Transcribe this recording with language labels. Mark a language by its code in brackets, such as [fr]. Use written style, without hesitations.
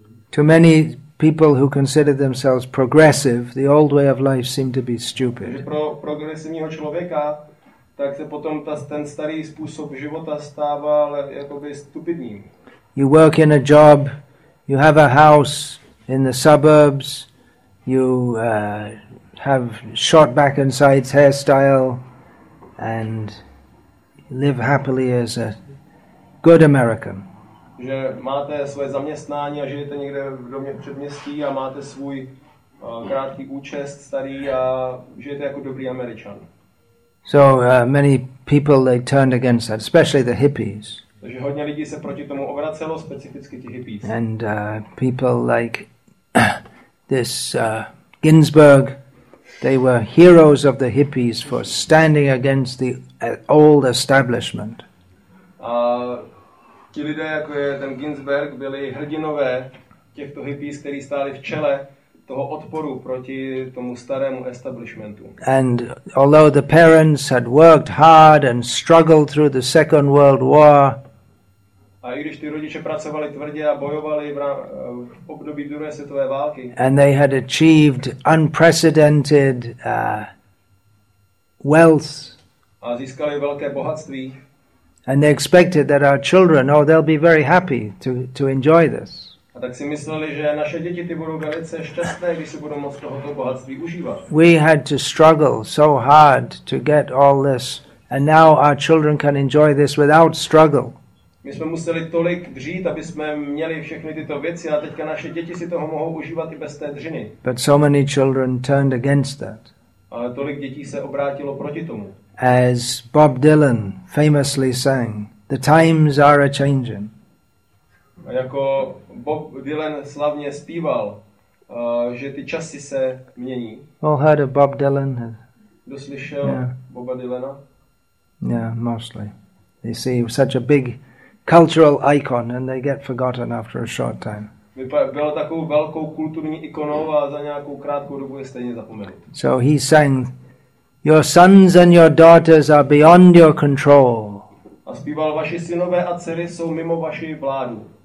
[en] To many people who considered themselves progressive, the old way of life seemed to be stupid. [cs] Pro progresivního člověka tak se potom ten starý způsob života stává jakoby stupidním. [en] You work in a job, you have a house in the suburbs, you have short back and sides hairstyle and live happily as a good American. [cs] Že máte svoje zaměstnání a žijete někde v domě v předměstí a máte svůj krátký účest starý a žijete jako dobrý Američan. [en] So many people they turned against that, especially the hippies. [cs] Takže hodně lidí se proti tomu obracelo, specificky ti hippies. [en] And people like this Ginsberg, they were heroes of the hippies for standing against the old establishment. [cs] Ti lidé, jako je ten Ginsberg, byli hrdinové těchto hippies, kteří stáli v čele toho odporu proti tomu starému establishmentu. [en] And although the parents had worked hard and struggled through the Second World War, [cs] a i když ty rodiče pracovali tvrdě a bojovali v období druhé světové války, [en] and they had achieved unprecedented wealth, [cs] a získali velké bohatství, [en] and they expected that our children, oh, they'll be very happy to enjoy this. [cs] A tak si mysleli, že naše děti ty budou velice šťastné, když si budou moct tohoto bohatství užívat. [en] We had to struggle so hard to get all this, and now our children can enjoy this without struggle. [cs] My jsme museli tolik dřít, aby jsme měli všechny tyto věci, a teďka naše děti si toho mohou užívat i bez té dřiny. [en] But so many children turned against that. [cs] Ale tolik dětí se obrátilo proti tomu. [en] As Bob Dylan famously sang, "The times are a changing." [cs] A jako Bob Dylan slavně zpíval, že ty časy se mění. [en] All heard of Bob Dylan? [cs] Kdo slyšel Boba Dylana? [en] Yeah, mostly. They see such a big cultural icon and they get forgotten after a short time. [cs] Byl takovou velkou kulturní ikonou a za nějakou krátkou dobu je stejně zapomenut. [en] So he sang, "Your sons and your daughters are beyond your control." [cs] A zpíval, "Vaši synové a dcery jsou mimo vaši vládu."